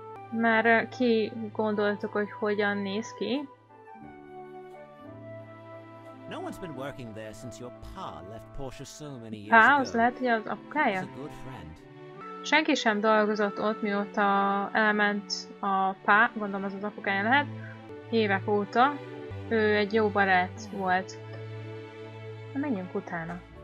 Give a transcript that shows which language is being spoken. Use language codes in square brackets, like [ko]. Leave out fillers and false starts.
[hu] Már ki gondoltuk, hogy hogyan néz ki. [en] No one's been working there since your pa left Porsche so many years ago. [hu] Pa, az lehet, hogy az apukája. Senki sem dolgozott ott, mióta elment a pá, gondolom ez az apukája lehet, évek óta. Ő egy jó barát volt. Na, menjünk utána.